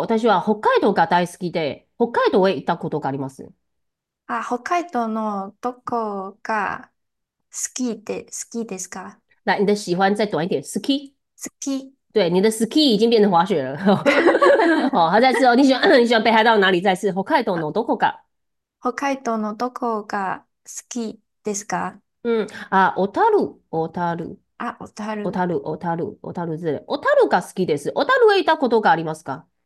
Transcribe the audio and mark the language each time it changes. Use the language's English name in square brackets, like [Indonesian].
[Japanese] 私は北海道が大好きで、北海道へ行ったことがあります。北海道のどこが好きですか？ [Chinese] 来，你的喜欢再短一点，ski。 [Japanese] スキ [Chinese] 对，你的 ski 已经变成滑雪了。好，再次 [Japanese] 北 [Chinese] 哦，你喜欢北海道哪里？再次， [Japanese] Hokkaido のどこか。海道のどこが好きですか？小小樽。樽、小樽、小樽之類。小樽が好きです。小樽へ行ったことがありますか？